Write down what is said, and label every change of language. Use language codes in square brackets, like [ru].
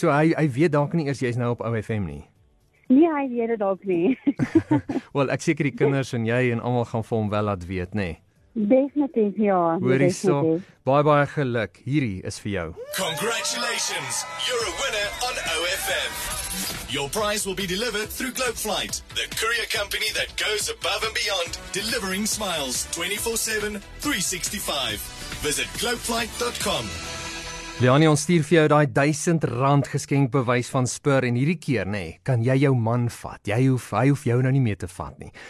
[af] so hy weet dalk nie eers jy is nou op OFM nie? Nee, hy weet dit dalk nie. Wel, ek seker die kinders en jy en allemaal gaan vir hom wel laat weet, nee. Definitief, ja. Bye bye, geluk. Hierdie is vir jou. [en] Congratulations, you're a winner on OFM. Your prize will be delivered through Globe Flight, the courier company that goes above and beyond, delivering smiles 24/7, 365. Visit globeflight.com. [af] Leoni, ons stuur vir jou daai 1000 rand geskenkbewys van Spur en hierdie keer, nee, kan jy jou man vat. Hy hoef jou nou nie meer te vat nie.